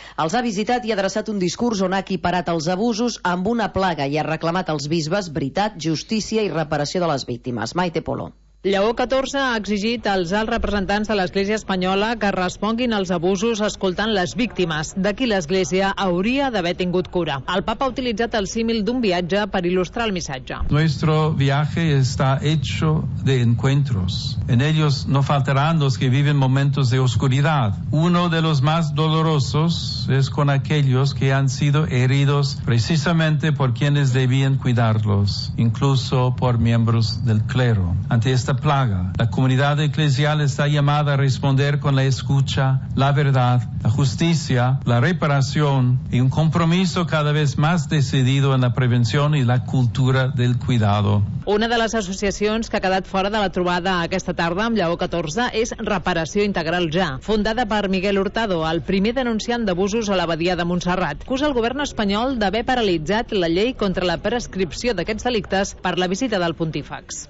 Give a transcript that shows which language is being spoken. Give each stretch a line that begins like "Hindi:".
Catalan: Els ha visitat i ha adreçat un discurs on ha equiparat els abusos amb una plaga i ha reclamat als bisbes veritat, justícia i reparació de les víctimes. Maite Polo. Lleó XIV ha exigit als alts representants de l'Església espanyola que responguin als abusos escoltant les víctimes de qui l'Església hauria d'haver tingut cura. El papa ha utilitzat el símil d'un viatge per il·lustrar el missatge.
Spanish: Nuestro viaje está hecho de encuentros. En ellos no faltarán los que viven momentos de oscuridad. Uno de los más dolorosos es con aquellos que han sido heridos precisamente por quienes debían cuidarlos, incluso por miembros del clero. Ante esta plaga, la comunidad eclesial está llamada a responder con la escucha, la verdad, la justicia, la reparación y un compromiso cada vez más decidido en la prevención y la cultura del cuidado.
Catalan: Una de les associacions que ha quedat fora de la trobada aquesta tarda amb Lleó XIV és Reparació Integral Ja, fundada per Miguel Hurtado, el primer denunciant d'abusos a l'abadia de Montserrat. Acusa el govern espanyol d'haver paralitzat la llei contra la prescripció d'aquests delictes per la visita del pontífex.